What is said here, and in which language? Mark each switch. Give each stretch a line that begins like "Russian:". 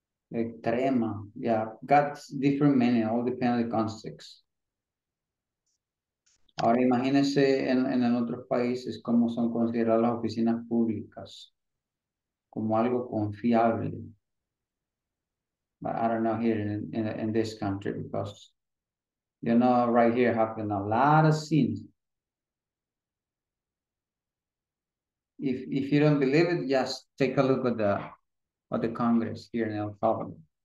English: Extrema, yeah, got different meaning, all depends on the context.
Spanish: Ahora imagínense en otros países cómo son consideradas las oficinas públicas, como algo confiable.
English: But I don't know here in this country, because, you know, right here happened a lot of scenes. If you don't believe it, just take a look at the Congress here in El Salvador.